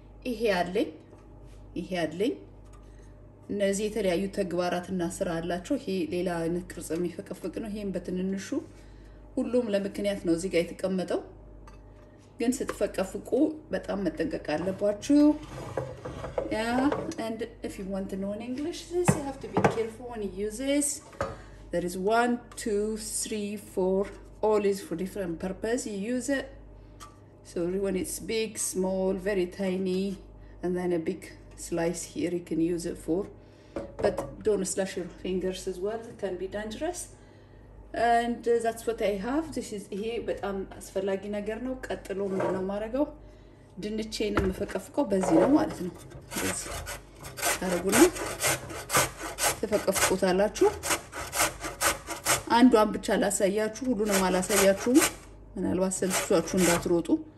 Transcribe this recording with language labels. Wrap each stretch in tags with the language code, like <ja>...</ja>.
<am>ይሄ አለኝ፣ ይሄ አለኝ። እነዚህ የተለያዩ ተግባራትና ስራ አላቸው። ይሄ ሌላ አይነት ቅርጽ የሚፈቀፍቅ ነው። ይሄም በትንንሹ ሁሉም ለምክንያት ነው እዚህ ጋር የተቀመጠው። ግን ስትፈቀፍቁ በጣም መጠንቀቅ አለባችሁ። ያ</am> <en>and if you want to know in English this you have to be careful when you use this. there is 1 2 3 4 all is for different purpose you use it. so when it's big, small, very tiny and then a big slice here you can use it for. but don't slash your fingers as well, it can be dangerous. and that's what I have.</en> <am>this is ይሄ በጣም አስፈላጊ ነገር ነው። ቀጥሎ ምንድን ነው የማደርገው? ድንቼን የምፈቀፍቀው በዚህ ነው ማለት ነው። እዚህ አረጉና ትፈቀፍቁታላችሁ። አንዷን ብቻ ላሳያችሁ፣ ሁሉንም አላሳያችሁም። ምናልባት ሰልችቷችሁ እንዳትሮጡ።</am>